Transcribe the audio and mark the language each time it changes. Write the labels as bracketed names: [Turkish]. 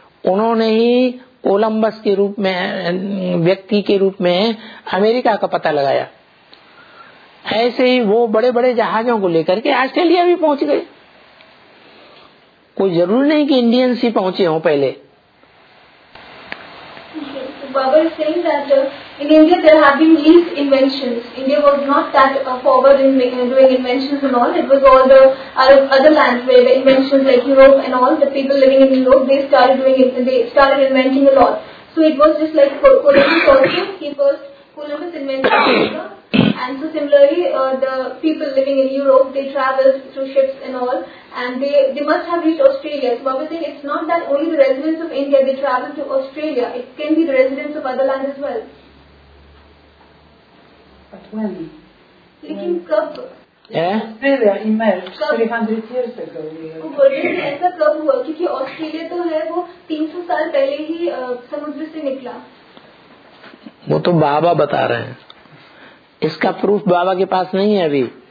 [Hindi] उन्होंने ही कोलंबस के रूप में, व्यक्ति के रूप में अमेरिका का पता लगाया। ऐसे ही वो बड़े बड़े जहाजों को लेकर के ऑस्ट्रेलिया भी पहुंच गए। कोई जरूर नहीं कि इंडियंस ही पहुंचे हों पहले। [English] Baba is saying that in India there have been least inventions. India was not that forward in doing inventions and all. It was all the other lands where the inventions like Europe and all, the people living in Europe, they started doing it and they started inventing a lot. So it was just like Columbus also, he first, Columbus invented America. And so similarly, the people living in Europe, they traveled through ships and all, and they must have reached Australia. So Baba is saying it's not that only the residents of India, they travel to Australia. It can be the residents of other lands as well. But when? [Hindi] Lekin kab? [English] Australia emerged 300 years ago. [Hindi] ऐसा कब हुआ? क्योंकि Australia तो है वो 300 साल पहले ही समुद्र से निकला। वो तो बाबा बता रहे हैं, इसका प्रूफ बाबा के पास नहीं है अभी।